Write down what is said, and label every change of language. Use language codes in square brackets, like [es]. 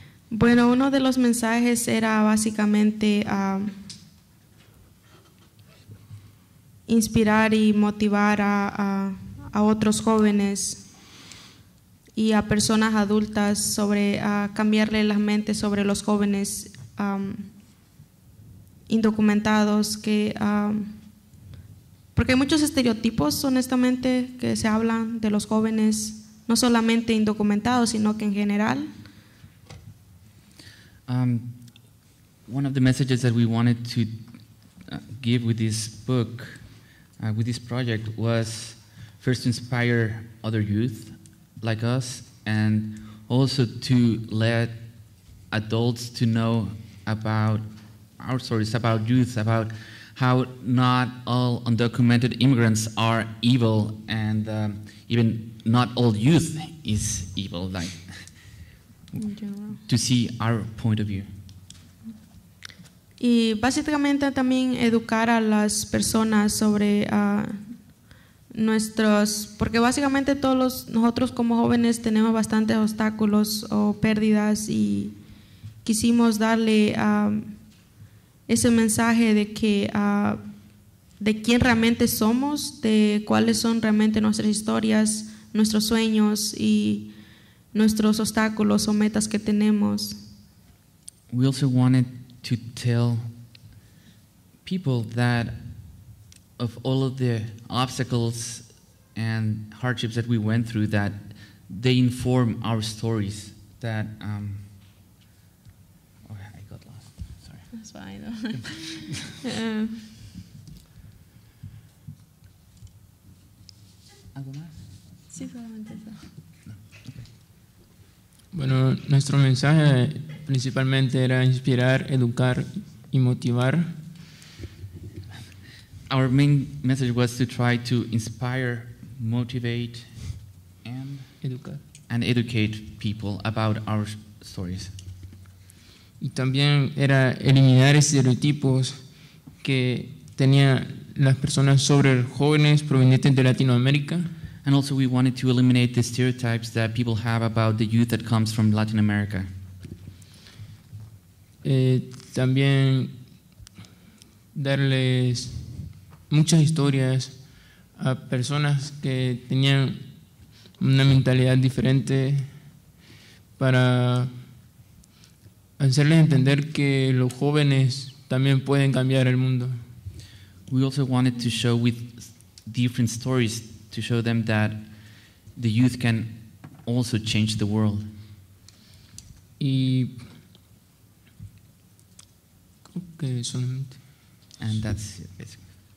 [es] Bueno, uno de los mensajes era básicamente inspirar y motivar a otros jóvenes y a personas adultas sobre cambiarle las mentes sobre los jóvenes indocumentados, que porque hay muchos estereotipos, honestamente, que se hablan de los jóvenes, no solamente indocumentados, sino que en general. [en] One of the messages that we wanted to give with this book, with this project, was first to inspire other youth like us, and also to let adults to know about our stories, about youth, about how not all undocumented immigrants are evil, and even not all youth is evil. Like, to see our point of view. [es] Y básicamente también educar a las personas sobre nuestros, porque básicamente todos los, nosotros como jóvenes tenemos bastantes obstáculos o pérdidas, y quisimos darle ese mensaje de que de quién realmente somos, de cuáles son realmente nuestras historias, nuestros sueños y nuestros obstáculos o metas que tenemos. [en] We also wanted to tell people that of all of the obstacles and hardships that we went through, that they inform our stories, that I got lost. Sorry. That's fine. [es] ¿Algo más? Sí, solamente eso. Bueno, nuestro mensaje principalmente era inspirar, educar y motivar. [en] Our main message was to try to inspire, motivate, and educate people about our stories. [es] Y también era eliminar estereotipos que tenían las personas sobre jóvenes provenientes de Latinoamérica. [en] And also we wanted to eliminate the stereotypes that people have about the youth that comes from Latin America. [es] También darles muchas historias a personas que tenían una mentalidad diferente, para hacerles entender que los jóvenes también pueden cambiar el mundo. [en] We also wanted to show with different stories to show them that the youth can also change the world. [es] Y [en] Okay, so. And that's it, basically.